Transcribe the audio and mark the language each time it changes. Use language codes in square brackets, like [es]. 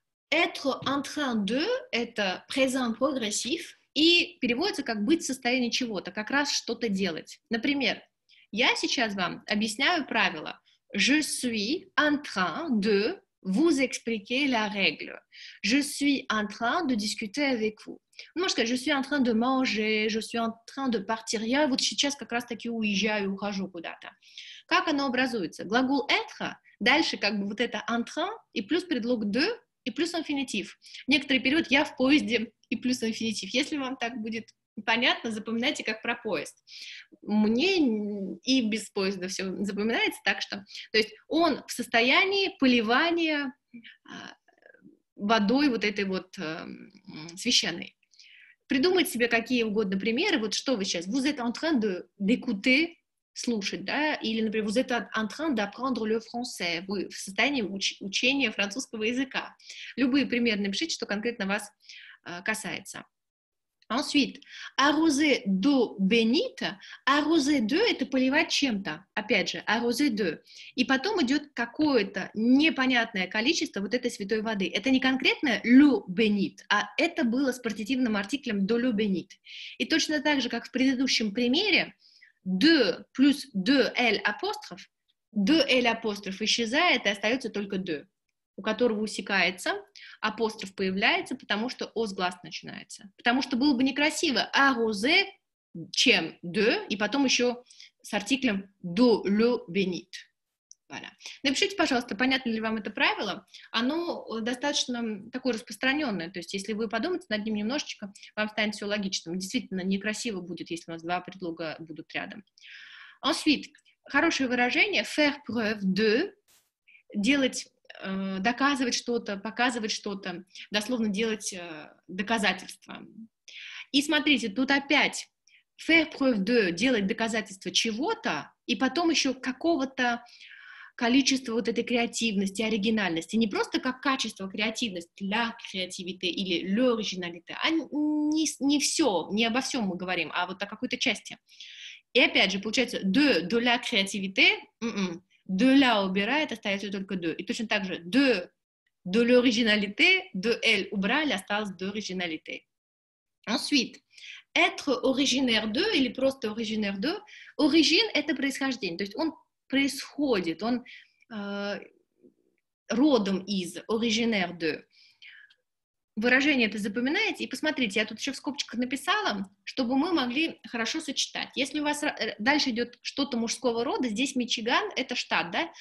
[fr] Être en train de [ru] – это présent progressif и переводится как быть в состоянии чего-то, как раз что-то делать. Например, я сейчас вам объясняю правила. [fr] Je suis en train de vous expliquer la règle. Je suis en train de discuter avec vous. [ru] Может сказать, [fr] je suis en train de manger, je suis en train de partir. [ru] Я вот сейчас как раз-таки уезжаю, ухожу куда-то. Как оно образуется? Глагол être, дальше как бы вот это en train, и плюс предлог de, и плюс инфинитив. Некоторый период я в поезде, и плюс инфинитив. Если вам так будет понятно, запоминайте как про поезд. Мне и без поезда все запоминается, так что... То есть он в состоянии поливания водой вот этой вот священной. Придумайте себе какие угодно примеры. Вот что вы сейчас? [fr] Vous êtes en train de d'écouter, [ru] слушать, да? Или, например, [fr] vous êtes en train d'apprendre le français. [ru] Вы в состоянии учения французского языка. Любые примеры напишите, что конкретно вас касается. [fr] Ensuite, arroser d'eau bénite. [ru] Arroser de – это поливать чем-то. Опять же, arroser de. И потом идет какое-то непонятное количество вот этой святой воды. Это не конкретное l'eau bénite, а это было с партитивным артиклем [fr] de l'eau bénite. [ru] И точно так же, как в предыдущем примере, de плюс de l' апостроф исчезает, и остается только de, у которого усекается, апостроф появляется, потому что «о» с глаз начинается. Потому что было бы некрасиво «arroser» чем «de», и потом еще с артиклем «de le bénit». [fr] Voilà. [ru] Напишите, пожалуйста, понятно ли вам это правило. Оно достаточно такое распространенное. То есть если вы подумаете над ним немножечко, вам станет все логичным. Действительно, некрасиво будет, если у нас два предлога будут рядом. Ensuite, хорошее выражение [fr] «faire preuve de» [ru] – делать... доказывать что-то, показывать что-то, дословно делать доказательства. И смотрите, тут опять [fr] faire preuve de, [ru] делать доказательства чего-то, и потом еще какого-то количества вот этой креативности, оригинальности. Не просто как качество, креативность, la creativité или l'originalité, а не все, не обо всем мы говорим, а вот о какой-то части. И опять же, получается [fr] de la creativité, [ru] «de la» убирает, остается только «de». И точно так же «de l'originalité», «de elle» убрали, осталось «d'originalité». [fr] Ensuite, être originaire de [ru] или просто [fr] originaire de. [ru] Origine – это происхождение, то есть он происходит, он родом из, originaire de. Выражение это запоминаете? И посмотрите, я тут еще в скобочках написала, чтобы мы могли хорошо сочетать. Если у вас дальше идет что-то мужского рода, здесь Мичиган – это штат, да?